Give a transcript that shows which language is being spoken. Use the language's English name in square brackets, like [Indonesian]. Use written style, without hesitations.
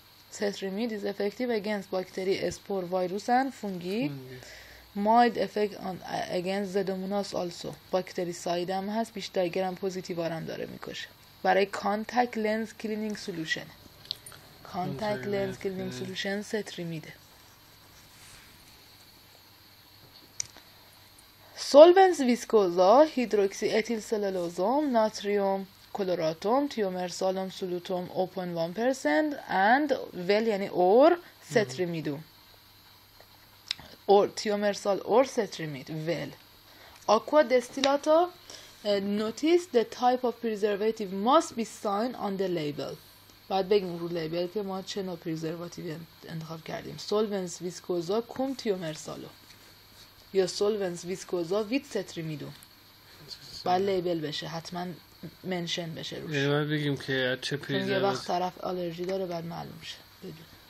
[English] Cetrimide is effective against bacteria, spore, virus and fungi. Mild effect on against Pseudomonas also. Bactericide [Persian] هم هست. بیشتر گرم پوزیتیو هم داره میکشه. برای [English] contact lens cleaning solution. Contact lens cleaning solution cetrimide. [Latin] Solvents viscosa, hydroxyethyl cellulosum, natrium chloratum, thiomersalum solutum 0.1% and well yani or cetrimidum. [English] Or thiomersal or cetrimid, well. Aqua distillata, notice the type of preservative must be signed on the label. [Persian] بعد بگیم رو لیبل که ما چه نوع پریزرواتیو انتخاب کردیم. [Latin] Solvents viscosa cum thiomersalum. یا solvents viscosa with cetrimidum. [Persian] مثلا باید لیبل بشه، حتما منشن بشه روش، یعنی باید بگیم که از چه پریزرواتیو، چون یه وقت طرف آلرژی داره باید معلوم شه بدون